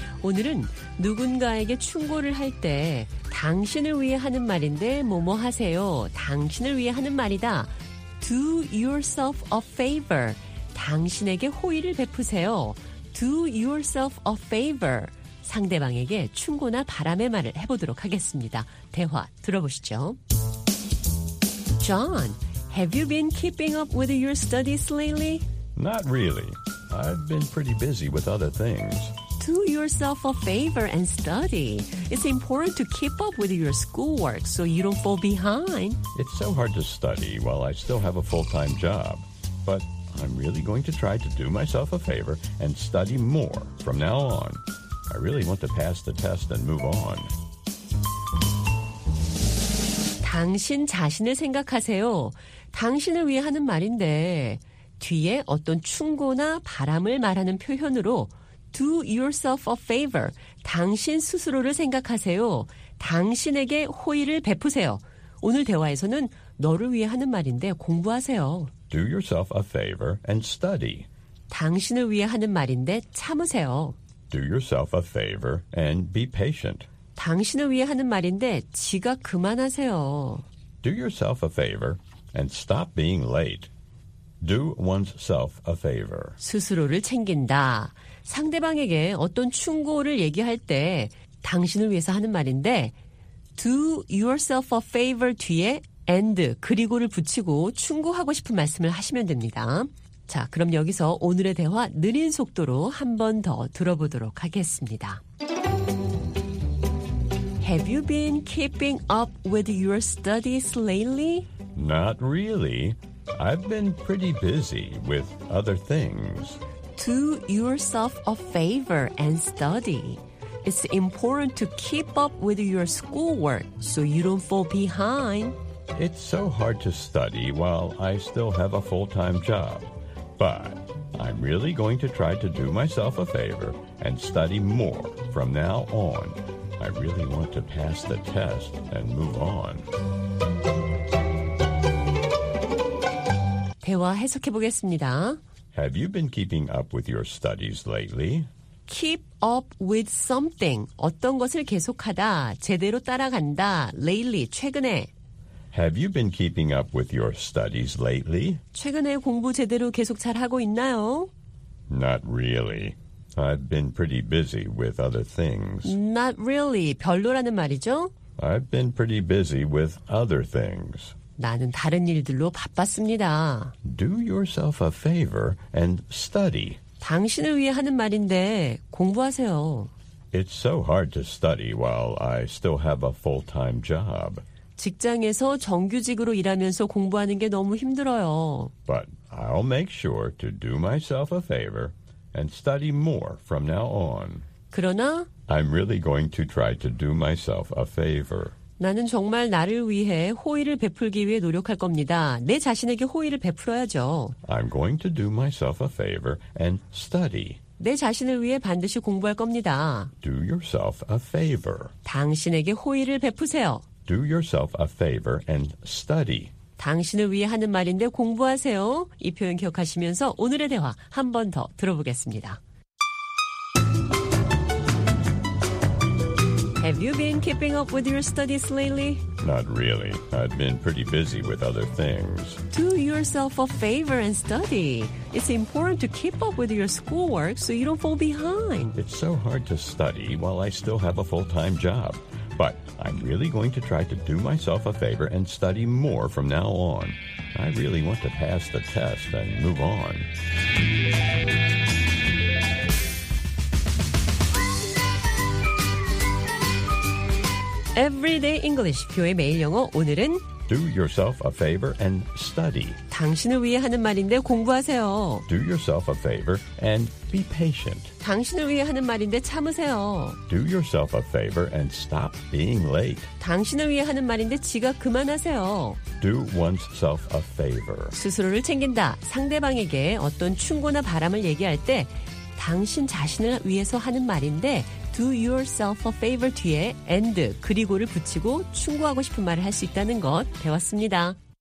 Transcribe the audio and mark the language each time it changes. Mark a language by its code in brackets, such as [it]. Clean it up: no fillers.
[ko] 오늘은 누군가에게 충고를 할 때 당신을 위해 하는 말인데 뭐뭐 하세요. 당신을 위해 하는 말이다. [en] Do yourself a favor. [ko] 당신에게 호의를 베푸세요. [en] Do yourself a favor. [ko] 상대방에게 충고나 바람의 말을 해보도록 하겠습니다. 대화 들어보시죠. [en] John, have you been keeping up with your studies lately? Not really. I've been pretty busy with other things. Do yourself a favor and study. It's important to keep up with your schoolwork so you don't fall behind. It's so hard to study while I still have a full-time job. But I'm really going to try to do myself a favor and study more from now on. I really want to pass the test and move on. [ko] 당신 자신을 생각하세요. 당신을 위해 하는 말인데 뒤에 어떤 충고나 바람을 말하는 표현으로 [en] Do yourself a favor. [ko] 당신 스스로를 생각하세요. 당신에게 호의를 베푸세요. 오늘 대화에서는 너를 위해 하는 말인데 공부하세요. [en] Do yourself a favor and study. [ko] 당신을 위해 하는 말인데 참으세요. [en] Do yourself a favor and be patient. [ko] 당신을 위해 하는 말인데 지각 그만하세요. [en] Do yourself a favor and stop being late. Do oneself a favor. [ko] 스스로를 챙긴다. 상대방에게 어떤 충고를 얘기할 때 당신을 위해서 하는 말인데 [en] do yourself a favor [ko] 뒤에 and 그리고를 붙이고 충고하고 싶은 말씀을 하시면 됩니다. 자, 그럼 여기서 오늘의 대화 느린 속도로 한 번 더 들어보도록 하겠습니다. [en] Have you been keeping up with your studies lately? Not really. I've been pretty busy with other things. Do yourself a favor and study. it's important to keep up with your schoolwork so you don't fall behind. It's so hard to study while I still have a full-time job. But I'm really going to try to do myself a favor and study more from now on. I really want to pass the test and move on. [ko] 대화 해석해 보겠습니다. [en] Have you been keeping up with your studies lately? Keep up with something. [ko] 어떤 것을 계속하다, 제대로 따라간다. [en] Lately, [ko] 최근에. [en] Have you been keeping up with your studies lately? [ko] 최근에 공부 제대로 계속 잘하고 있나요? [en] Not really. I've been pretty busy with other things. Not really. [ko] 별로라는 말이죠? [en] I've been pretty busy with other things. [ko] 나는 다른 일들로 바빴습니다. [en] Do yourself a favor and study. [ko] 당신을 위해 하는 말인데 공부하세요. [en] It's so hard to study while I still have a full-time job. [ko] 직장에서 정규직으로 일하면서 공부하는 게 너무 힘들어요. [en] But I'll make sure to do myself a favor and study more from now on. [ko] 그러나 [en] I'm really going to try to do myself a favor. [ko] 나는 정말 나를 위해 호의를 베풀기 위해 노력할 겁니다. 내 자신에게 호의를 베풀어야죠. [en] I'm going to do myself a favor and study. [ko] 내 자신을 위해 반드시 공부할 겁니다. [en] Do yourself a favor. [ko] 당신에게 호의를 베푸세요. [en] Do yourself a favor and study. [ko] 당신을 위해 하는 말인데 공부하세요. 이 표현 기억하시면서 오늘의 대화 한 번 더 들어보겠습니다. [en] Have you been keeping up with your studies lately? Not really. I've been pretty busy with other things. Do yourself a favor and study. It's important to keep up with your schoolwork so you don't fall behind. It's so hard to study while I still have a full-time job. But I'm really going to try to do myself a favor and study more from now on. I really want to pass the test and move on. [ko] 에브리데이 잉글리시 표의 매일 영어 오늘은 [en] Do yourself a favor and study. [ko] 당신을 위해 하는 말인데 공부하세요. [en] Do yourself a favor and be patient. [ko] 당신을 위해 하는 말인데 참으세요. [en] Do yourself a favor and stop being late. [ko] 당신을 위해 하는 말인데 지각 그만하세요. [en] Do one's self a favor. [ko] 스스로를 챙긴다. 상대방에게 어떤 충고나 바람을 얘기할 때 당신 자신을 위해서 하는 말인데 [en] Do yourself a favor [ko] 뒤에 and 그리고를 붙이고 충고하고 싶은 말을 할 수 있다는 것 배웠습니다.